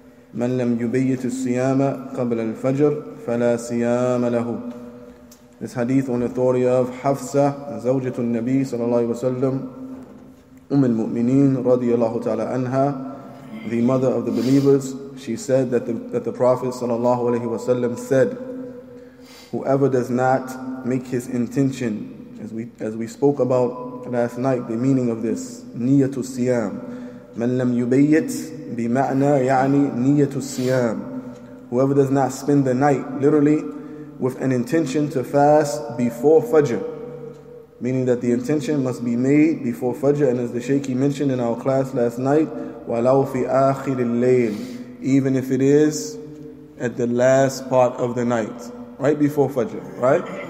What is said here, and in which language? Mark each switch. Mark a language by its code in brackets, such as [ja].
[ar] من لم يبيت الصيام قبل الفجر فلا صيام له. [en] This hadith on authority of Hafsa, [ar] زوجة النبي صلى الله عليه وسلم, أم المؤمنين رضي الله تعالى عنها, [en] the mother of the believers. She said that the Prophet صلى الله عليه وسلم said, whoever does not make his intention, as we spoke about last night, the meaning of this نية الصيام. [ar] من لم يبيت بمعنى يعني نية الصيام. [en] Whoever does not spend the night, literally, with an intention to fast before Fajr. Meaning that the intention must be made before Fajr. And as the Shaykh mentioned in our class last night, [ar] وَلَوْ فِي آخِرِ اللَّيْلِ, [en] even if it is at the last part of the night, right before Fajr, right?